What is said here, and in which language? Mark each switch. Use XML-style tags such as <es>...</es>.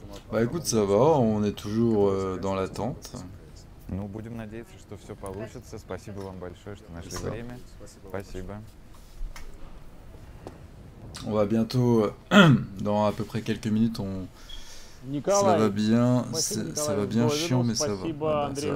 <fr>Bah écoute, ça va, on est toujours dans l'attente.</fr> <ru>Ну, будем надеяться, что все получится. Спасибо вам большое, что нашли время. Спасибо.</ru> <fr>On va bientôt, dans à peu près quelques minutes, ça va bien, ça va bien chiant, mais ça va.</fr>